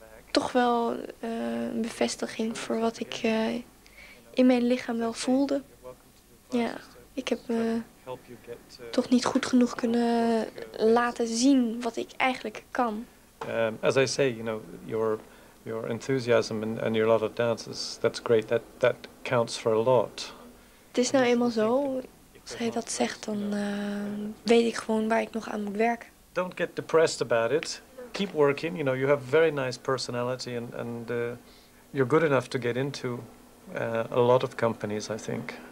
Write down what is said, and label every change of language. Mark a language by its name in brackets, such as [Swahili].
[Dutch] Toch wel een bevestiging voor wat ik in mijn lichaam wel voelde. Ja, ik heb me toch niet goed genoeg kunnen laten zien wat ik eigenlijk kan. [English] As I say, you know, your enthusiasm and your lot of dances, that's great. That counts for a lot. [Dutch] Het is nou eenmaal zo. Als hij dat zegt, dan weet ik gewoon waar ik nog aan moet werken. [English] Don't get depressed about it. Keep working. You know, you have very nice personality and you're good enough to get into a lot of companies, I think.